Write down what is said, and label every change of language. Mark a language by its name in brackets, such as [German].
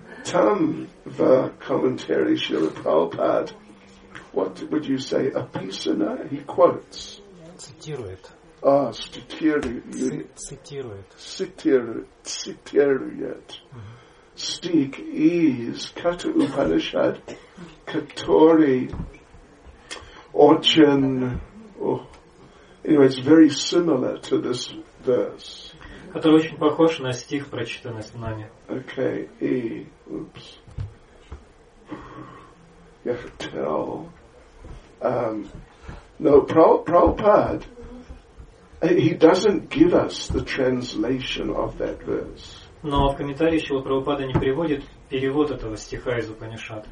[Russian] Там в комментарии Шрила Прабхупады, [English] what would you say, [Russian] a писана? [English] He quotes. [Russian] Цитирует. А, цитирует. Цитирует. Стих из Ката Упанишад, который очень... [English] Oh, anyway, it's very similar to this verse. [Russian] Который очень похож на стих, прочитанный с нами. Okay, и... Oops. Я хотел... [English] No, Prabhupada, he doesn't give us the translation of that verse. [Russian] Но в комментарии Шрила Прабхупада не приводит перевод этого стиха из Упанишад.